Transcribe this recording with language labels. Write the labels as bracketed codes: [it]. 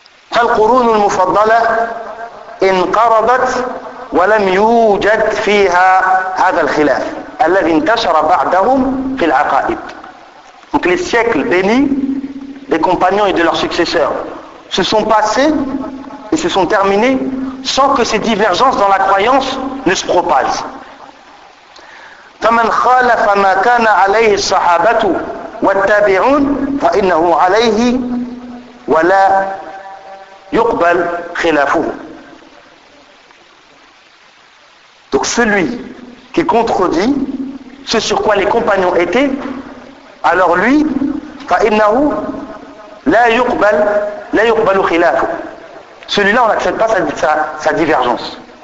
[ar] فالقرون المفضلة انقرضت ولم يوجد فيها هذا الخلاف الذي انتشر بعدهم في العقائد. [fr] Donc les siècles bénis des compagnons et de leurs successeurs se sont passés et se sont terminés sans que ces divergences dans la croyance ne se propagent. [ar] فمن خالف ما كان عليه الصحابة والتابعون فإنه عليه ولا يقبل خلافه. [fr] Donc celui qui contredit ce sur quoi les compagnons étaient, alors lui, [ar] فإنه لا يقبل خلافه. [fr] Celui-là, on n'accepte pas sa divergence.